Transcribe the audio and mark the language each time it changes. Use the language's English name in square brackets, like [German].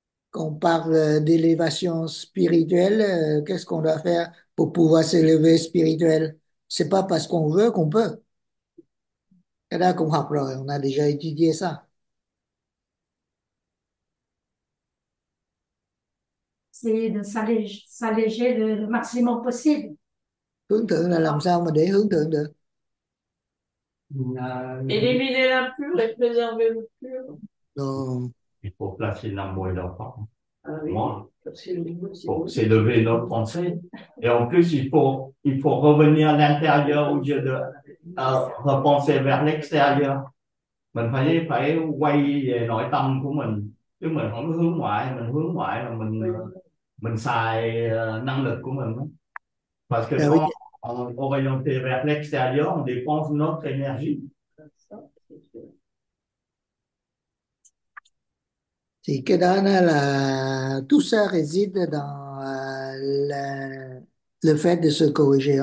[French] Quand on parle d'élévation spirituelle, qu'est-ce qu'on doit faire pour pouvoir s'élever spirituel? C'est pas parce qu'on veut qu'on peut. C'est là qu'on apprend, on a déjà étudié ça. C'est de s'alléger le maximum possible. [Vietnamese] Hướng thượng là làm sao mà để hướng thượng được? [French] Éliminer l'impur et préserver le pur. Donc, il faut placer l'amour et la foi. Moi, pour s'élever notre pensée. Et en plus, il faut revenir à l'intérieur au lieu de repenser vers l'extérieur. [Vietnamese] Mình phải phải quay về nội tâm của mình. Chứ mình không hướng ngoại, mình hướng ngoại là mình xài năng lực của mình. [French] Parce que quand on est orienté vers l'extérieur, on dépense notre énergie. C'est que dans la... tout ça réside dans le fait de se corriger.